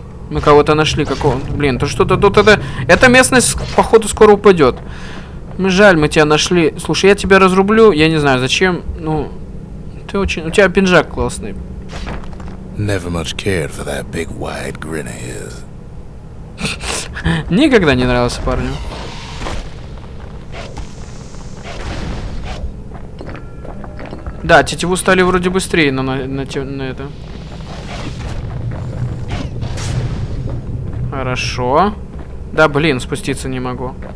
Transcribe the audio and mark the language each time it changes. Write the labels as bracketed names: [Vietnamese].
[Russian] Мы кого-то нашли, какого... Блин, то что-то тут это... Эта местность, походу, скоро упадет. Жаль, мы тебя нашли. Слушай, я тебя разрублю. Я не знаю, зачем. Ну... Ты очень... У тебя пинжак классный. [English] Never much cared for that big wide grin of his. [Russian] Никогда не нравился парню. Да, тетиву стали вроде быстрее на это. Хорошо. Да, блин, спуститься не могу.